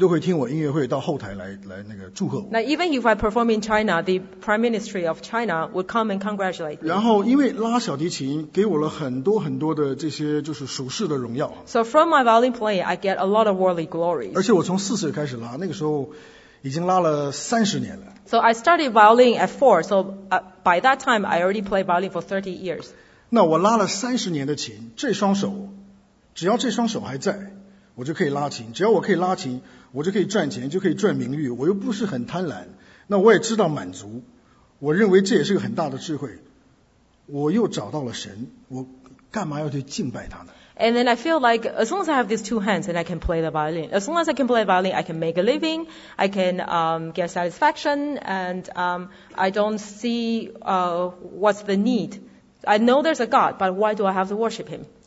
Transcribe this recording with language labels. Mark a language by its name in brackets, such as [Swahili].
[Chinese] 那我出去拉音乐会呢？比如说，在中国的时候，中国的主席都会听我音乐会到后台来那个祝贺我。Now [English] even if I perform in China, the Prime Ministry of China would come and congratulate me. [Chinese] 然后因为拉小提琴，给我了很多很多的这些就是属世的荣耀。So [English] from my violin playing, I get a lot of worldly glory. [Chinese] 而且我从四岁开始拉，那个时候已经拉了30年了。So [English] I started violin at 4, so by that time I already played violin for 30 years. [Chinese] 那我拉了30年的琴，这双手，只要这双手还在。我就可以拉琴，只要我可以拉琴，我就可以赚钱，就可以赚名誉，我又不是很贪婪，那我也知道满足，我认为这也是个很大的智慧，我又找到了神，我干嘛要去敬拜他呢？ [English] And then I feel like as long as I have these two hands and I can play the violin, as long as I can play violin, I can make a living, I can get satisfaction, and I don't see what's the need. I know there's a God, but why do I have to worship him?